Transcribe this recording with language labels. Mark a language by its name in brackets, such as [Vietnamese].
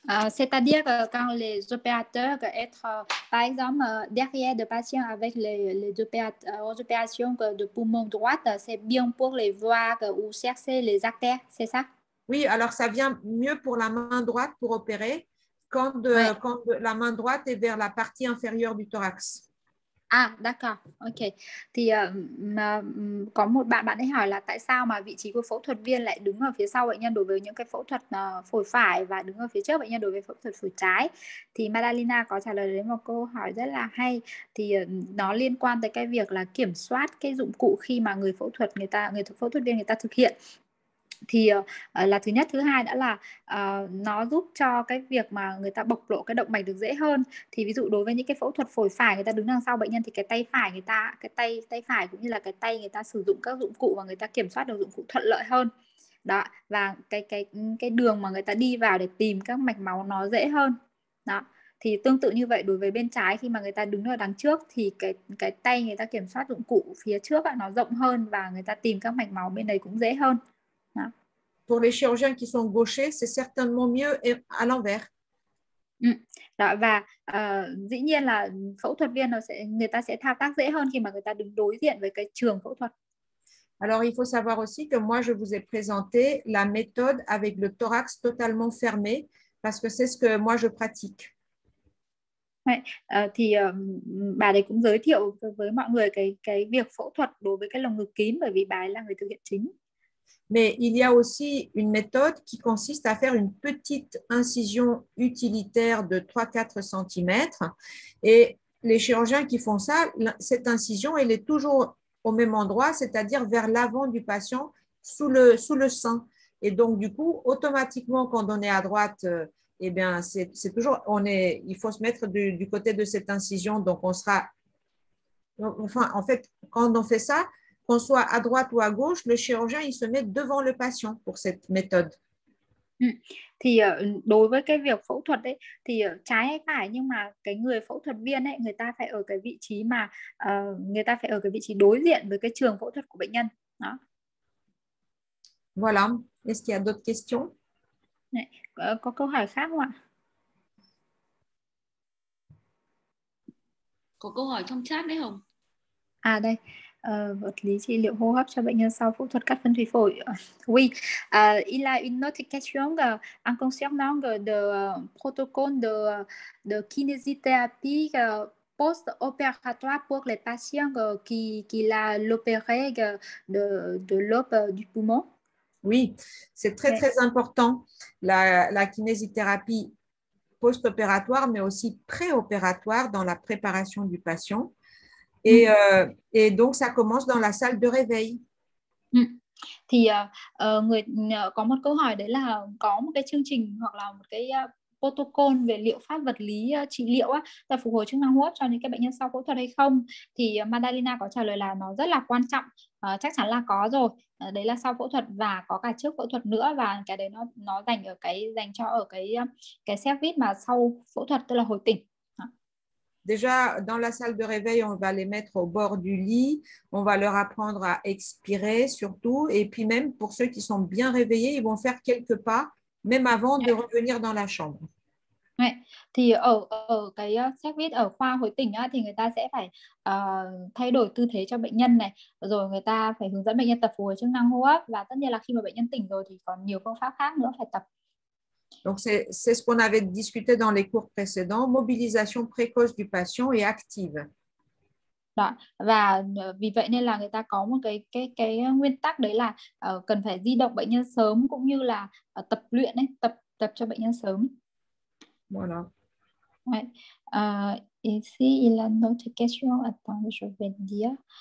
[French] C'est-à-dire que quand les opérateurs par exemple, derrière le patient avec les opérations de poumon droite, c'est bien pour les voir ou chercher les artères, c'est ça? Oui, alors ça vient mieux pour la main droite pour opérer quand la main droite est vers la partie inférieure du thorax. À, d'accord, ok. [Vietnamese] Thì có một bạn ấy hỏi là tại sao mà vị trí của phẫu thuật viên lại đứng ở phía sau bệnh nhân đối với những cái phẫu thuật phổi phải và đứng ở phía trước bệnh nhân đối với phẫu thuật phổi trái. Thì Madalina có trả lời đến một câu hỏi rất là hay. Thì nó liên quan tới cái việc là kiểm soát cái dụng cụ khi mà người phẫu thuật viên người ta thực hiện. Thì là thứ nhất, thứ hai nữa là nó giúp cho cái việc mà người ta bộc lộ cái động mạch được dễ hơn. Thì ví dụ đối với những cái phẫu thuật phổi phải, người ta đứng đằng sau bệnh nhân thì cái tay phải cũng như là cái tay người ta sử dụng các dụng cụ và người ta kiểm soát được dụng cụ thuận lợi hơn. Đó, và cái đường mà người ta đi vào để tìm các mạch máu nó dễ hơn. Đó. Thì tương tự như vậy đối với bên trái, khi mà người ta đứng ở đằng trước thì cái tay người ta kiểm soát dụng cụ phía trước nó rộng hơn và người ta tìm các mạch máu bên đấy cũng dễ hơn. [French] Pour les chirurgiens qui sont gauchers, c'est certainement mieux et à l'envers. [Vietnamese] Đó, và dĩ nhiên là phẫu thuật viên người ta sẽ thao tác dễ hơn khi mà người ta đứng đối diện với cái trường phẫu thuật. [French] Alors, il faut savoir aussi que moi, je vous ai présenté la méthode avec le thorax totalement fermé, parce que c'est ce que moi, je pratique. [Vietnamese] Thì bà ấy cũng giới thiệu với mọi người cái việc phẫu thuật đối với cái lồng ngực kín, bởi vì bà ấy là người thực hiện chính. [French] Mais il y a aussi une méthode qui consiste à faire une petite incision utilitaire de 3-4 cm. Et les chirurgiens qui font ça, cette incision, elle est toujours au même endroit, c'est-à-dire vers l'avant du patient, sous le sein. Et donc, du coup, automatiquement, quand on est à droite, eh bien, c'est toujours, il faut se mettre du côté de cette incision. Donc, on sera, enfin, en fait, quand on fait ça, qu'on soit à droite ou à gauche, le chirurgien il se met devant le patient pour cette méthode. [Vietnamese] Thì đối với cái việc phẫu thuật ấy thì trái hay phải, nhưng mà cái người phẫu thuật viên ấy, người ta phải ở cái vị trí mà người ta phải ở cái vị trí đối diện với cái trường phẫu thuật của bệnh nhân. Đó. [French] Voilà, est-ce qu'il y a d'autres questions? [Vietnamese] Có câu hỏi khác không ạ? Có câu hỏi trong chat đấy Hồng. À đây. Vật lý trị liệu hô hấp cho bệnh nhân sau phẫu thuật cắt phân thủy phổi. [French] Oui, il a une autre question en concernant le protocole de kinésithérapie post-opératoire pour les patients qui a l'opéré de l'aube du poumon. Oui, c'est très très important la kinésithérapie post-opératoire mais aussi pré-opératoire dans la préparation du patient. Et donc ça commence dans la salle de réveil. [Vietnamese] Thì có một câu hỏi đấy là có một cái chương trình hoặc là một cái protocol về liệu pháp vật lý trị liệu á, phục hồi chức năng hô hấp cho những cái bệnh nhân sau phẫu thuật hay không? Thì Madalina có trả lời là nó rất là quan trọng, chắc chắn là có rồi. Đấy là sau phẫu thuật và có cả trước phẫu thuật nữa, và cái đấy nó dành cho cái service mà sau phẫu thuật, tức là hồi tỉnh. [French] Déjà, dans la salle de réveil, on va les mettre au bord du lit, on va leur apprendre à expirer surtout, et puis même pour ceux qui sont bien réveillés, ils vont faire quelques pas, même avant de revenir dans la chambre. Ouais. [Vietnamese] Thì ở cái service ở khoa hồi tỉnh á, thì người ta sẽ phải thay đổi tư thế cho bệnh nhân này, rồi người ta phải hướng dẫn bệnh nhân tập phục hồi chức năng hô hấp, và tất nhiên là khi mà bệnh nhân tỉnh rồi thì còn nhiều phương pháp khác nữa phải tập. [French] Donc, c'est ce qu'on avait discuté dans les cours précédents, mobilisation précoce du patient et active. [Vietnamese] Đó. Và vì vậy nên là người ta có một cái nguyên tắc đấy là cần phải di động bệnh nhân sớm cũng như là tập luyện, ấy, tập cho bệnh nhân sớm. [French] Voilà. Ouais. Ici, il y a une autre question. Attends, je vais dire.